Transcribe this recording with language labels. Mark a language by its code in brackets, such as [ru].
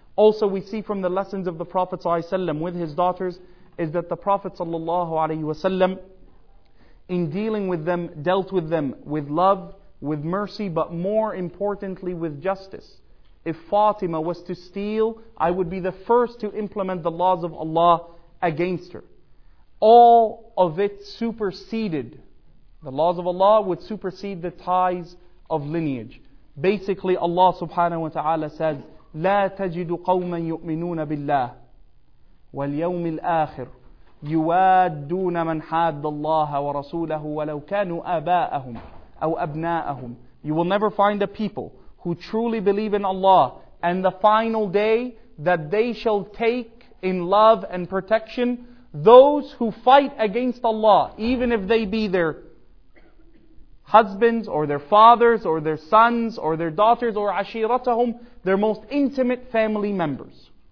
[en] Also, we see from the lessons of the Prophet ﷺ with his daughters is that the Prophet ﷺ, in dealing with them, dealt with them with love, with mercy, but more importantly with justice. If Fatima was to steal, I would be the first to implement the laws of Allah against her. All of it superseded. The laws of Allah would supersede the ties of lineage. [ar] Basically, Allah subhanahu wa ta'ala says, لا تجد قوما يؤمنون بالله واليوم الآخر يوادون من حاد الله ورسوله ولو كانوا آباءهم أو أبناءهم. [en] You will never find a people who truly believe in Allah and the final day that they shall take in love and protection those who fight against Allah, even if they be their husbands or their fathers or their sons or their daughters or عشيرتهم, their most intimate family members.